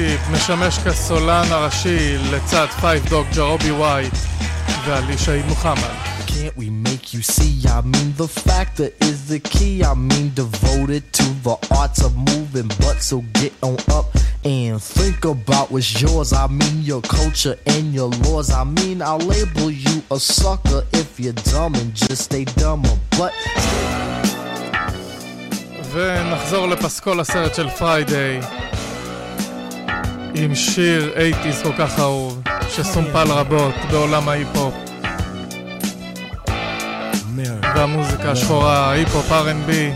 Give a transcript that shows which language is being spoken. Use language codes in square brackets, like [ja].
[he] משמש כסולן הראשי לצד פייב דוג ג'רובי ווייט ו ואלישה עם מוחמד. [en] Can't we make you see, I mean the factor is the key, I mean devoted to the arts of moving butts, so get on up and think about what's yours, I mean your culture and your laws, I mean I'll label you a sucker if you're dumb and just stay dumber, but... [he] ונחזור לפסקול הסרט של פריידי עם שיר 80's כל כך אהוב שסומפל רבות בעולם ההיפופ והמוזיקה השחורה, היפופ, R&B.